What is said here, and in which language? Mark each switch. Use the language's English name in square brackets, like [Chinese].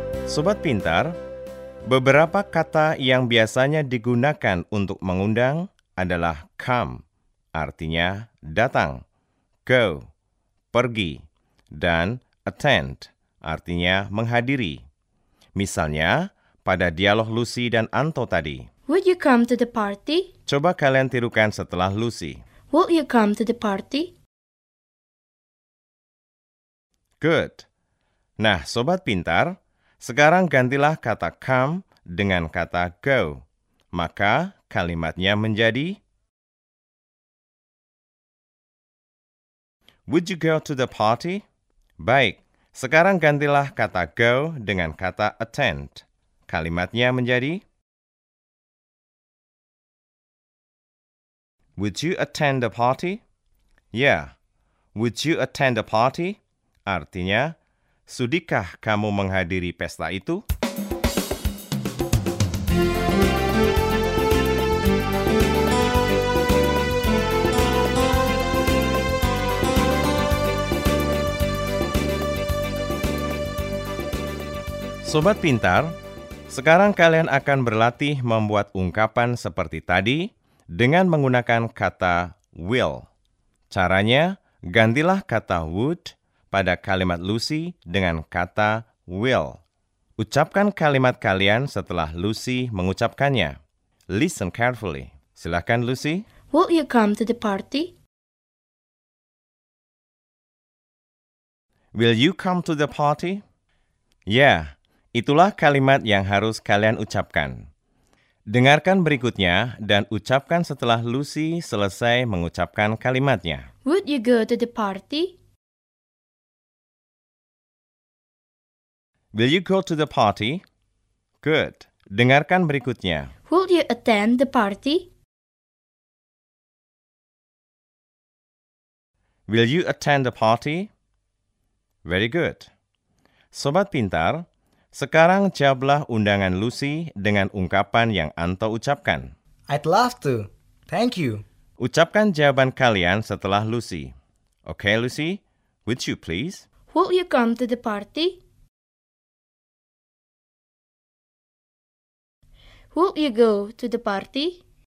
[Indonesian] Sobat pintar, beberapa kata yang biasanya digunakan untuk mengundang adalah come, artinya datang, go, pergi, dan attend, artinya menghadiri. Misalnya, pada dialog Lucy dan Anto tadi. [English] Would you come to the party? [Indonesian] Coba kalian tirukan setelah Lucy. [English] Will you come to the party? Good. [Indonesian] Nah, sobat pintar, sekarang gantilah kata come dengan kata go. Maka kalimatnya menjadi [English] would you go to the party? [Indonesian] Baik, sekarang gantilah kata go dengan kata attend. Kalimatnya menjadi [English] would you attend the party? Yeah, would you attend the party? [Indonesian] Artinya, sudikah kamu menghadiri pesta itu? Sobat pintar, sekarang kalian akan berlatih membuat ungkapan seperti tadi dengan menggunakan kata will. Caranya, gantilah kata would pada kalimat Lucy dengan kata will. Ucapkan kalimat kalian setelah Lucy mengucapkannya. [English] Listen carefully. [Indonesian] Silakan [English] Lucy. Will you come to the party? Will you come to the party? Yeah, [Indonesian] itulah kalimat yang harus kalian ucapkan. Dengarkan berikutnya dan ucapkan setelah Lucy selesai mengucapkan kalimatnya. [English] Would you go to the party? Will you go to the party? Good. [Indonesian] Dengarkan berikutnya. [English] Will you attend the party? Will you attend the party? Very good. [Indonesian] Sobat pintar, sekarang jawablah undangan Lucy dengan ungkapan yang Anto ucapkan. [English] I'd love to. Thank you. [Indonesian] Ucapkan jawaban kalian setelah Lucy. [English] Okay, Lucy, would you please? Will you come to the party? Will you go to the party?